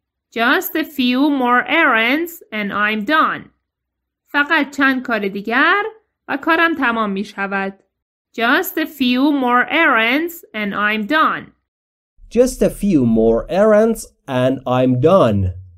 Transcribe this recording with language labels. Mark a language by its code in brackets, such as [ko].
[en] Just a few more errands and I'm done. [fa] فقط چند کار دیگر و کارم تمام می شود. [en] Just a few more errands and I'm done. Just a few more errands and I'm done.